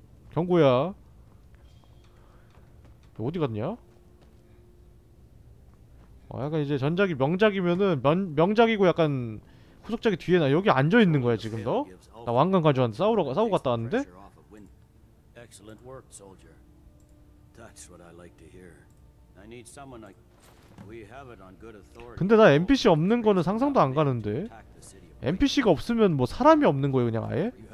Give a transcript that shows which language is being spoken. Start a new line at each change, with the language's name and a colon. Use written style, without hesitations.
Korean: 경고야. 어디 갔냐? 약간 이제 전작이 명작이면은 명작이고 약간 후속작이 뒤에 나 여기 앉아 있는 거야 지금 너? 나 왕관 가져왔는데 싸우고 갔다 왔는데?
English: Excellent work, soldier. That's what I like to hear. I need someone like we have it on good authority.
Korean: 근데 나 NPC 없는 거는 상상도 안 가는데. NPC가 없으면 뭐 사람이 없는 거예요, 그냥 아예?